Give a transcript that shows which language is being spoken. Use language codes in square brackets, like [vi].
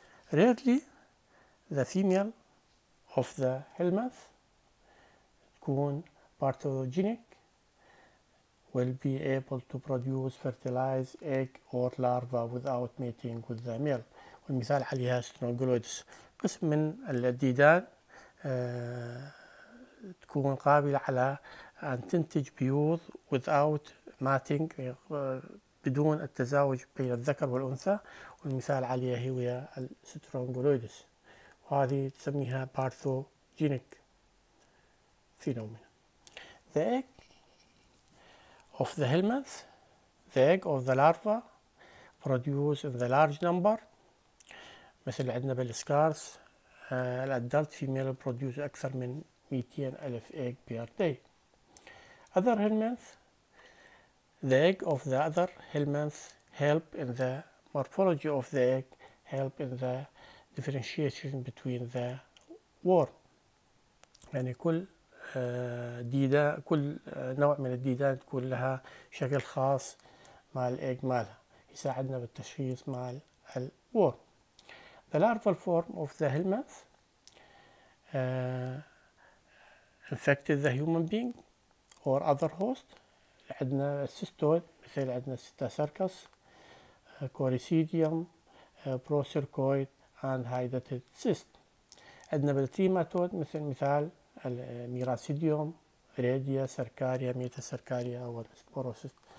[en] Rarely, the female of the helminth [ar] تكون [en] parthenogenic, will be able to produce fertilized egg or larva without mating with the male. [ar] والمثال عليها strongyloides. قسم من الديدان تكون قابلة على أن تنتج بيوض [en] without mating، [ar] بدون التزاوج بين الذكر والأنثى. والمثال عليها هي strongyloides. وهذه تسميها parthenogenic phenomena. [en] The egg of the helminth, the egg of the larva produced in the large number. [ar] مثل عندنا بالسكارس، الادلت فيميل [en] produce [ar] أكثر من [en] 200,000 eggs per day. Other helminths, the egg of the other helminths help in the morphology of the egg, help in the differentiation between the worm. [ar] يعني كل ديدة كل نوع من الديدان تكون لها شكل خاص مع الايج مالها يساعدنا بالتشخيص مع الورم. [en] The larval form of the helminth infected the human being or other host. [ar] عندنا السيستول مثل عندنا السيتاسيركس كوريسيديوم بروسيركويد [en] and hydatid cyst. [ar] عندنا بالتريماتود مثل مثال الميراسيديوم ريديا سركاريا ميتا سركاريا او سبوروسيس.